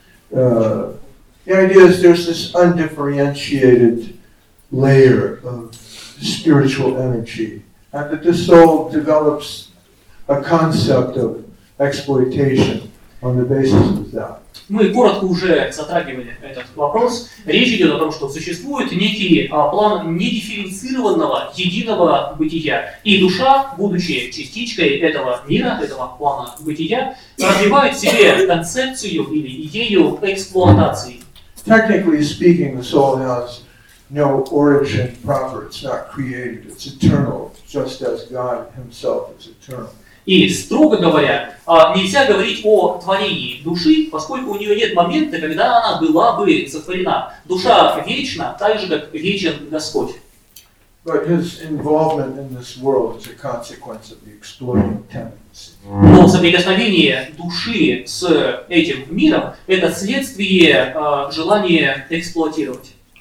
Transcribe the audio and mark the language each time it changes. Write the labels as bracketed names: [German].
[English] The idea is there's this undifferentiated layer of spiritual energy. and that the soul develops a concept of exploitation on the basis of that. [Russian] Мы коротко уже затрагивали этот вопрос. Речь идет о том, что существует некий план недифференцированного единого бытия. И душа, будучи частичкой этого мира, этого плана бытия, развивает в себе концепцию или идею эксплуатации. [English] Technically speaking, the soul has no origin proper. It's not created. It's eternal, just as God himself is eternal. [Russian] И, строго говоря, нельзя говорить о творении души, поскольку у нее нет момента, когда она была бы сотворена. Душа вечна, так же, как вечен Господь. Но соприкосновение души с этим миром – это следствие желания эксплуатировать.